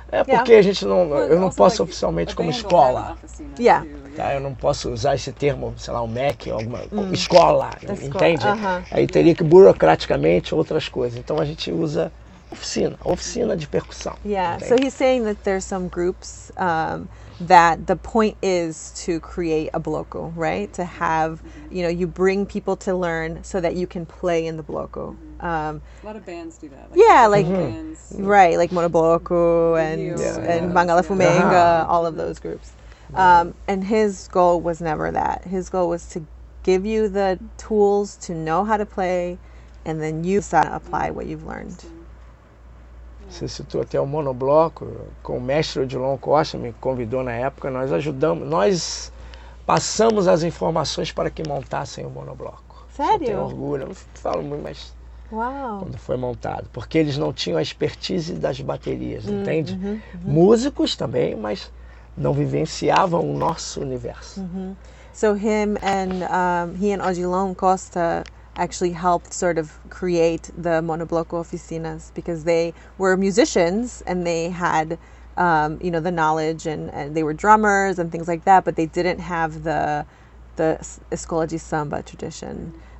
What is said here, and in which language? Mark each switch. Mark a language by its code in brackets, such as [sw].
[pt] Porque a gente não, eu não posso oficialmente como escola. Eu não posso usar esse termo, sei lá, o MEC, alguma escola, entende? Aí teria que burocraticamente outras coisas. Então a gente usa oficina de percussão. [en] Yeah, so he's saying that there's some groups that the point is to create a bloco, right? To have, you know, you bring people to learn so that you can play in the bloco. A lot of bands do that. Right, like Monobloco and Mangala Fumenga, all of those groups. And his goal was never that. His goal was to give you the tools to know how to play, and then you decide to apply what you've learned. Yeah. [pt] Você citou até o monobloco, com o mestre Odilon Costa, me convidou na época, nós ajudamos, nós passamos as informações para que montassem o monobloco. Sério? Eu tenho orgulho, não falo muito, mas... Uau! Quando foi montado, porque eles não tinham a expertise das baterias, entende? Uhum, uhum. Músicos também, mas não vivenciavam o nosso universo. Uhum. [en] So him and he and Odilon Costa actually helped sort of create the Monobloco Oficinas because they were musicians and they had you know, the knowledge and they were drummers and things like that, but they didn't have the Escola de Samba tradition.